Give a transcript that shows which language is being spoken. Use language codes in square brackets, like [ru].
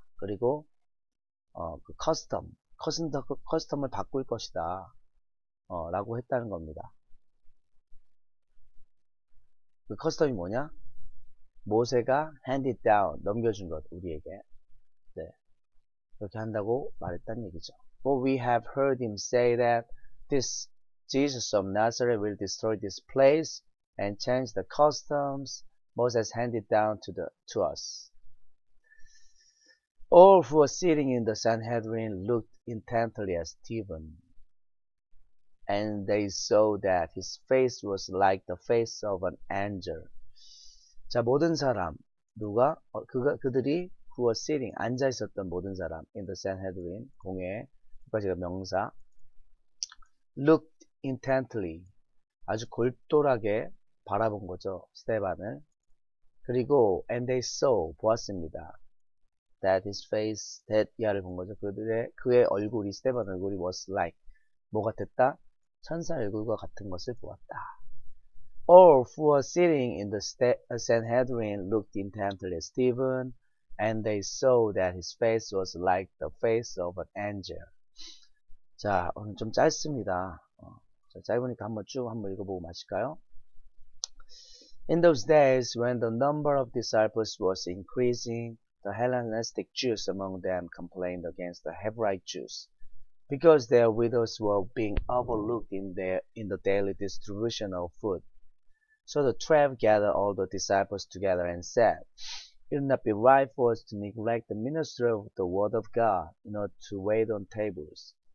[ko] 그리고 그 커스텀을 바꿀 것이다 라고 했다는 겁니다. 그 커스텀이 뭐냐? 모세가 [en] handed down [ko] 넘겨준 것 우리에게. 그렇게 한다고 말했단 얘기죠. [en] For we have heard him say that this Jesus of Nazareth will destroy this place and change the customs Moses handed down to us. All who were sitting in the Sanhedrin looked intently at Stephen, and they saw that his face was like the face of an angel. [ko] 자, 모든 사람, 누가? 그들이 [en] who were sitting, [ko] 앉아 있었던 모든 사람, [en] in the Sanhedrin, [ko] 공회에, 그까지가 명사, [en] looked intently, [ko] 아주 골똘하게 바라본 거죠, 스테반을. 그리고, [en] and they saw, [ko] 보았습니다. [en] That his face, that [ko] 야를 본 거죠. 그의 얼굴이, 스테반 얼굴이 [en] was like, [ko] 뭐 같았다? 천사 얼굴과 같은 것을 보았다. [en] All who were sitting in the Sanhedrin looked intently at Stephen, and they saw that his face was like the face of an angel. [ko] 자, 오늘 좀 짧습니다. 짧으니까 한번 읽어보고 마실까요? [en] In those days, when the number of disciples was increasing, the Hellenistic Jews among them complained against the Hebraic Jews, because their widows were being overlooked in the daily distribution of food. So the 12 gathered all the disciples together and said, It would not be right for us to neglect the ministry of the word of God in order to wait on tables.